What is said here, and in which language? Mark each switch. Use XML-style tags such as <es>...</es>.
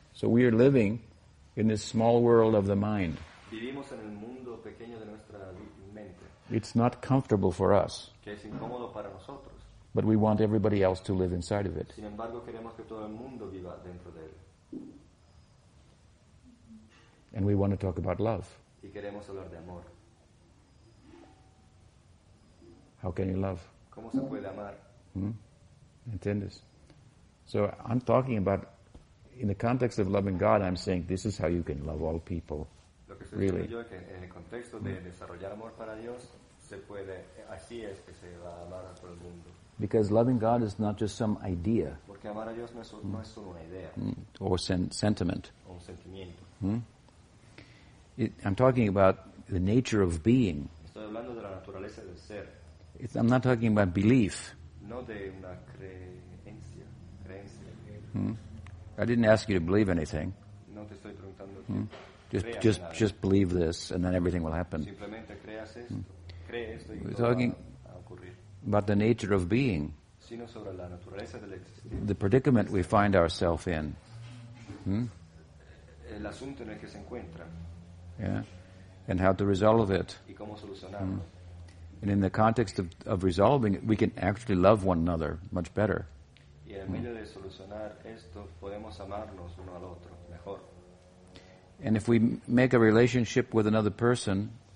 <en>So we are living in this small world of the mind.</en> <es>Vivimos en el mundo pequeño de nuestra mente.</es> <en>It's not comfortable for us.</en> <es>Que es incómodo para nosotros.</es> <en>But we want everybody else to live inside of it.</en> <es>Sin embargo, queremos que todo el mundo viva dentro de él.</es> <en>And we want to talk about love.</en> <es>Y queremos hablar de amor.</es> <en>How can you love?</en> <es>¿Cómo se puede amar? ¿Entiendes?</es> <en>So I'm talking about, in the context of loving God, I'm saying this is how you can love all people.</en> <es>Lo que estoy diciendo yo es que en el contexto de desarrollar amor para Dios, se puede, así es que se va a amar a todo el mundo.</es> <en>Because loving God is not just some idea.</en> <es>Porque amar a Dios no es solo una idea.</es> <en>Or sentiment.</en> <es>O un sentimiento.</es> <en>I'm talking about the nature of being.</en> <es>Estoy hablando de la naturaleza del ser.</es> <en>I'm not talking about belief.</en> <es>No de una creencia.</es> <en>I didn't ask you to believe anything.</en> <es>No te estoy preguntando.</es> <en>Just believe this, and then everything will happen.</en> <es>Simplemente creas esto.</es> <en>We're talking about the nature of being,</en> <es>sino sobre la naturaleza del existir.</es> <en>The predicament we find ourselves in.</en> <es>El asunto en el que se encuentra.</es> <en>Yeah. And how to resolve it.</en> <es>Y cómo solucionarlo. Mm.</es> <en>And in the context of resolving it, we can actually love one another much better.</en> <es>Y en medio de solucionar esto, podemos amarnos uno al otro mejor.</es> <en>And if we make a relationship with another person,</en>